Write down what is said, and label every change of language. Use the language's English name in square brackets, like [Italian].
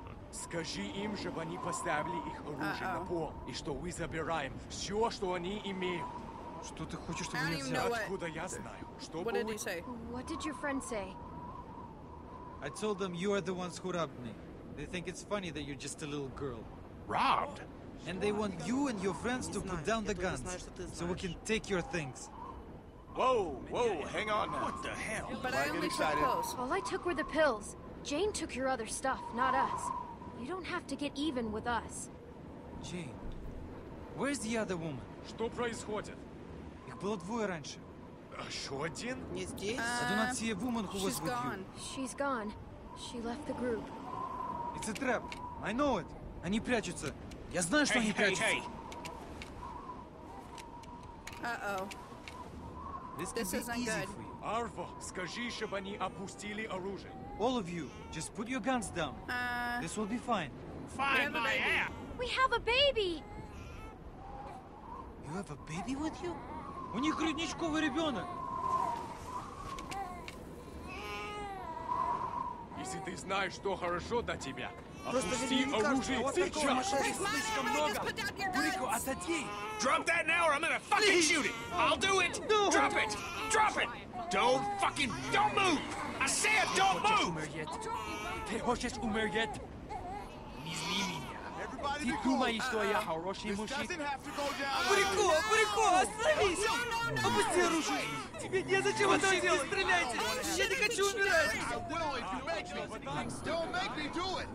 [Russian] Скажи им, чтобы они поставили их оружие на пол, и что мы забираем все, что они имеют. Что ты хочешь, чтобы мы взяли? Откуда я знаю? Что было? [English] What did he say? What did your friend say? I told them you are the ones who robbed me. They think it's funny that you're just a little girl. Robbed? And they want you and your friends to put down the guns, so we can take your things. Whoa, hang on now. What the hell? But I only took the pills. All I took were the pills. Jane took your other stuff, not us. You don't have to get even with us. Jane, where's the other woman? [Russian] Что происходит? Их было двое раньше. Еще один? Не здесь. [English] I do not see a woman who was with you. She's gone. She left the group. It's a trap. I know it. [Russian] Они прячутся. Я знаю, что они прячутся. [English] This isn't good. [Russian] Arvo, скажи, чтобы они опустили оружие. [English] All of you, just put your guns down. This will be fine. Fine, my ass! We have a baby! You have a baby with you? [Russian] У них грудничковый ребенок! Если ты знаешь, что хорошо для тебя, опусти оружие сейчас! Слишком много! Брико, отойди! [English] Drop that now or I'm gonna fucking Please. Shoot it! I'll do it! No. Drop it! Drop it! Don't fucking... Don't move! I said don't move! [Russian] Ты хочешь умереть? Не зли меня. Ты думаешь, что я хороший мужчина? Брико! Брико! Остановись! Опусти оружие! Тебе незачем это делать! Стреляйте! Я не хочу умирать! [English] I will if you make me, but things don't make me do it!